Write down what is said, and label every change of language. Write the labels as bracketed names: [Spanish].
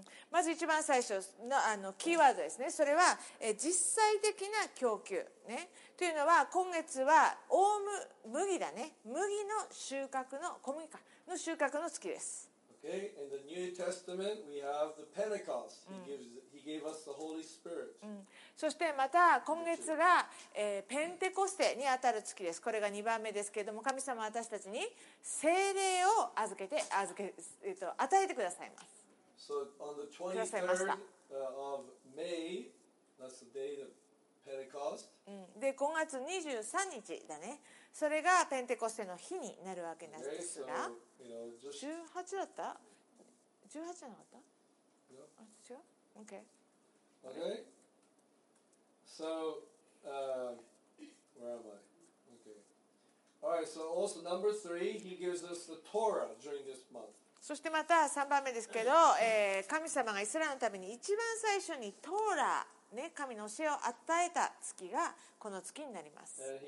[Japanese] まず一番最初 のキーワードですね。それは実際的な供給、ね、というのは今月は麦だね。麦の収穫の小麦かの収穫の月です。 [English] Okay, in the New Testament we have the Pentecost. He gave us the Holy Spirit. [Japanese] そしてまた今月が、ペンテコステにあたる月です。これが2番目ですけれども、神様は私たちに聖霊を与えてくださいます。 [English] So on the 23rd of May, that's the day of Pentecost. [Japanese] で5月23日だね。それがペンテコステの日になるわけなんですが、18だった？18じゃなかった？No. 違う？OK. [English] Okay. So, where am I? Okay. All right. So also number three, he gives us the Torah during this month. [Japanese] そしてまた3番目ですけど、神様がイスラエルのために一番最初にトーラー。ね、神の教えを与えた月がこの月になります。